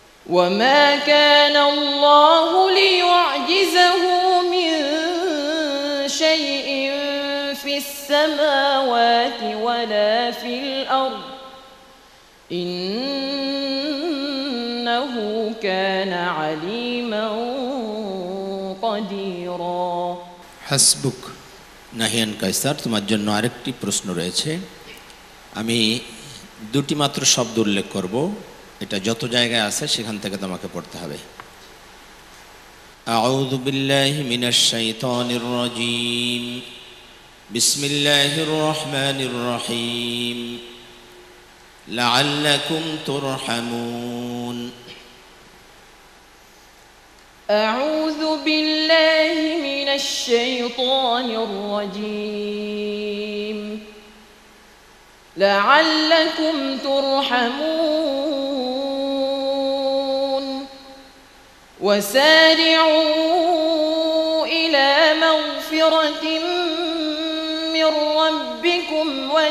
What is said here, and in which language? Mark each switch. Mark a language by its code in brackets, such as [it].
[ar] وما كان الله ليعجزه من شيء في السماوات ولا في الأرض إنه كان عليما قديرا حسبك [bn] نهيان كايسار তোমার জন্য আরেকটি প্রশ্ন রয়েছে আমি দুটি মাত্র শব্দ উল্লেখ করব এটা যত জায়গায় আছে সেখান থেকে তোমাকে পড়তে হবে [ar] আউযু বিল্লাহি মিনাশ শাইতানির রাজিম বিসমিল্লাহির রহমানির রহিম لعلكم ترحمون أعوذ بالله من الشيطان الرجيم لعلكم ترحمون وسارعوا إلى مغفرة من ربكم